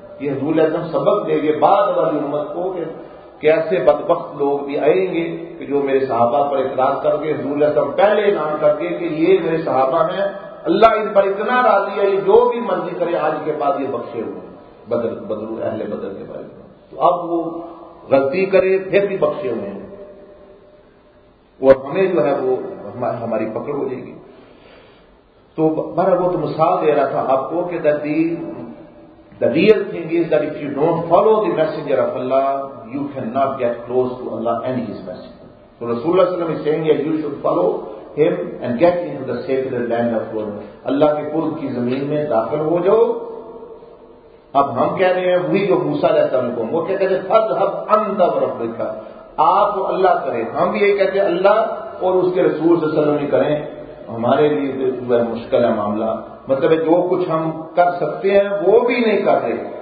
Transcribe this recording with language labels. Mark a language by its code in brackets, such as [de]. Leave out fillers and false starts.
[ur] یہ حضور اعظم سبق دیں گے بعد والی امت کو کہ کیسے بدبخت لوگ بھی آئیں گے کہ جو میرے صحابہ پر اعتراض کر کے حضور اعظم پہلے اعلان کر کے کہ یہ میرے صحابہ ہیں اللہ ان پر اتنا راضی ہے یہ جو بھی مرضی کرے آج کے بعد یہ بخشے ہوئے بدر اہل بدر کے بارے میں تو اب وہ غلطی کرے پھر بھی بخشے ہوئے ہیں اور ہمیں جو ہے وہ ہماری پکڑ ہو جائے گی. تو بہر وہ تو مثال دے رہا تھا آپ کو کہ [en] the real thing is that if you don't follow the messenger of Allah you cannot get close to Allah and his messenger. So Rasulullah [ur] صلی اللہ علیہ وسلم [en] is saying that you should follow him and get into the sacred land of God. [ur] Allah کے قرب کی زمین میں داخل ہو جاؤ. اب ہم کہہ رہے ہیں وہی جو موسیٰ علیہ السلام کو وہ کہتے تھے فذهب انت وربک, آپ اللہ کرے. ہم بھی یہی کہتے ہیں اللہ اور اس کے رسول صلی اللہ علیہ وسلم ہی کریں. ہمارے لیے جو ہے مشکل ہے معاملہ, مطلب جو کچھ ہم کر سکتے ہیں وہ بھی نہیں کر رہے.